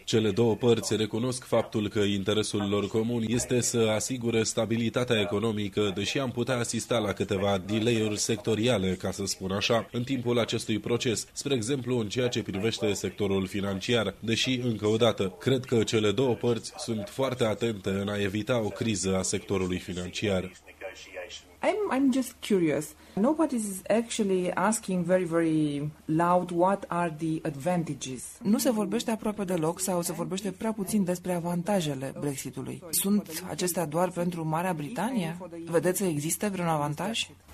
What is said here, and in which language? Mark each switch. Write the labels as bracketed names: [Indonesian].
[Romanian] Cele două părți recunosc faptul că interesul lor comun este să asigure stabilitatea economică, deși am putea asista la câteva delay-uri sectoriale, ca să spun așa, în timpul acestui proces, spre exemplu în ceea ce privește sectorul financiar, deși, încă o dată, cred că cele două părți sunt foarte atente în a evita o criză a sectorului financiar. [English] I'm just curious. Nobody is actually asking very, very loud what are the advantages. [Romanian] Nu se vorbește aproape deloc sau se vorbește prea puțin despre avantajele Brexitului. Sunt acestea doar pentru Marea Britanie? Vedeți că există vreun avantaj?